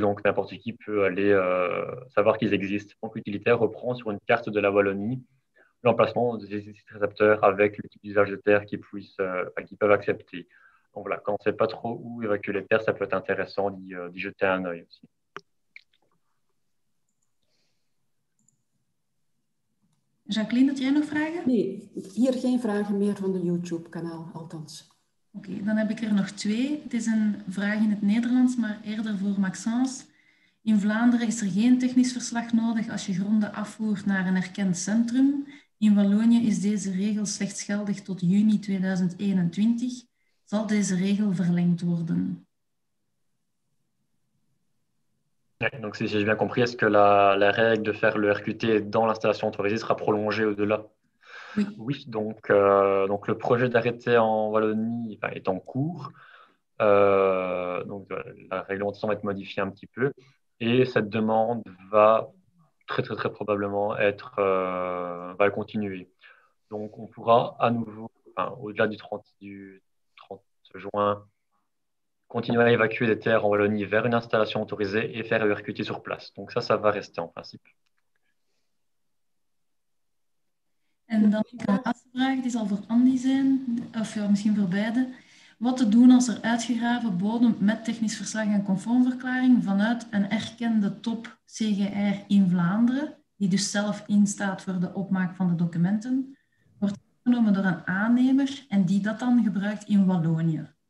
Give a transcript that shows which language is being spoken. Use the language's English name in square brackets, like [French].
[French] Donc, n'importe qui peut aller savoir qu'ils existent. Donc, utilitaire reprend sur une carte de la Wallonie l'emplacement des sites récepteurs avec le type d'usage de terre qu'ils peuvent accepter. Donc voilà, quand on ne sait pas trop où évacuer les terres, ça peut être intéressant d'y jeter un œil aussi. [Dutch] Jacqueline, heb jij nog vragen? Nee, hier geen vragen meer van de YouTube-kanaal, althans. Oké, dan heb ik er nog twee. Het is een vraag in het Nederlands, maar eerder voor Maxence. In Vlaanderen is er geen technisch verslag nodig als je gronden afvoert naar een erkend centrum. In Wallonië is deze regel slechts geldig tot juni 2021. Zal deze regel verlengd worden? [French] Ja, donc si j'ai bien compris, est-ce que la règle de faire le RQT dans l'installation autorisée sera prolongée au-delà? Oui. Oui, donc le projet d'arrêté en Wallonie est en cours. La réglementation va être modifiée un petit peu. Et cette demande va très, très, très probablement va continuer. Donc, on pourra à nouveau, au-delà du 30 juin, continuer à évacuer des terres en Wallonie vers une installation autorisée et faire évacuer sur place. Donc, ça va rester en principe. [Dutch] En dan de laatste vraag, die zal voor Andy zijn, of ja, misschien voor beide. Wat te doen als er uitgegraven bodem met technisch verslag en conformverklaring vanuit een erkende top CGR in Vlaanderen, die dus zelf instaat voor de opmaak van de documenten, wordt aangenomen door een aannemer en die dat dan gebruikt in Wallonië.